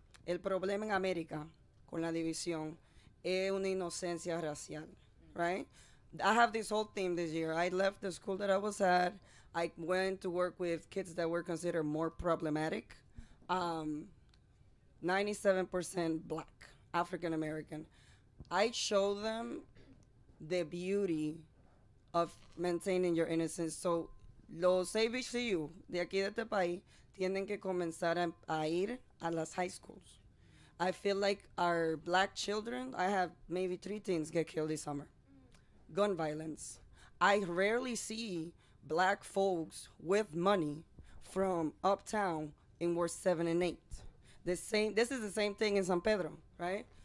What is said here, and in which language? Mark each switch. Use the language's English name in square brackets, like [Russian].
[Spanish] El problema en América con la división es una inocencia racial, [English] right? I have this whole theme this year. I left the school that I was at. I went to work with kids that were considered more problematic. 97% black, African American. I show them the beauty of maintaining your innocence. [Spanish] So los HBCU de aquí de este país tienen que comenzar a ir a las [English] high schools. I feel like our black children, I have maybe 3 teens get killed this summer. Gun violence. I rarely see black folks with money from uptown in Ward 7 and 8. This is the same thing in San Pedro, right?